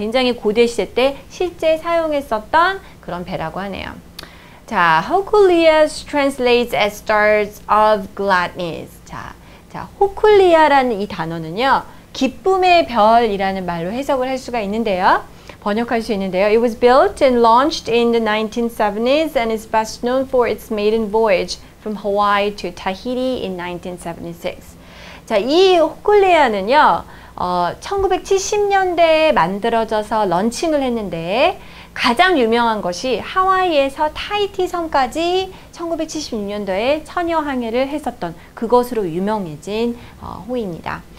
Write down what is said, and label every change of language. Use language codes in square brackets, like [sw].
[ko] 굉장히 고대 시대 때 실제 사용했었던 그런 배라고 하네요. [en] 자, Hokulia translates as stars of gladness. [ko] 자, Hokulia라는 이 단어는요. 기쁨의 별이라는 말로 해석을 할 수가 있는데요. 번역할 수 있는데요. [en] It was built and launched in the 1970s and is best known for its maiden voyage from Hawaii to Tahiti in 1976. [ko] 자, 이 호쿨리아는요. 1970년대에 만들어져서 런칭을 했는데 가장 유명한 것이 하와이에서 타히티 섬까지 1976년도에 처녀 항해를 했었던 그것으로 유명해진 호입니다.